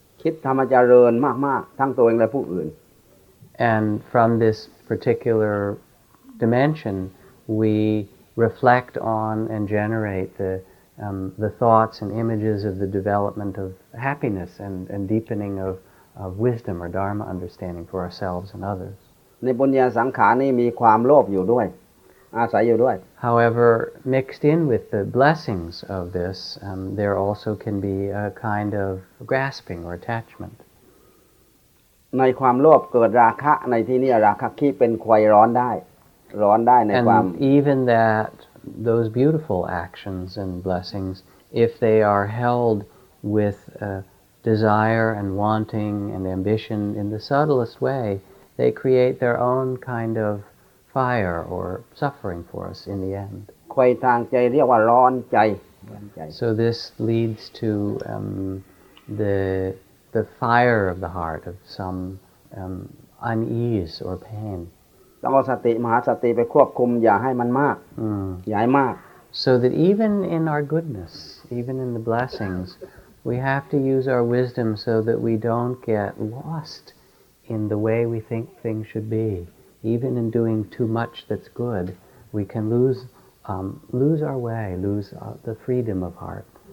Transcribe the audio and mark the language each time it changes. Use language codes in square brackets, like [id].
[th] คิดทำให้เจริญมากๆทั้งตัวเองและผู้อื่น [en] And from this particular dimension, we reflect on and generate the thoughts and images of the development of happiness and deepening of wisdom or dharma understanding for ourselves and others. [th] ในบุญญาสังขารนี่มีความโลภอยู่ด้วยอาศัยอยู่ด้วย [en] However, mixed in with the blessings of this, there also can be a kind of grasping or attachment. [th] ในความโลภเกิดราคะในที่นี้ราคะขี้เป็นไฟร้อนได้ร้อนได้ในความ [en] And even that those beautiful actions and blessings, if they are held withdesire and wanting and ambition in the subtlest way, they create their own kind of fire or suffering for us in the end. [th] ไฟทางใจเรียกว่าร้อนใจ [en] So this leads to the fire of the heart, of some unease or pain. [th] ต้องเอาสติมหาสติไปควบคุมอย่าให้มันมากอย่าให้มาก [en] So that even in our goodness, even in the blessings, we have to use our wisdom so that we don't get lost in the way we think things should be. Even in doing too much that's good, we can lose lose our way, lose the freedom of heart.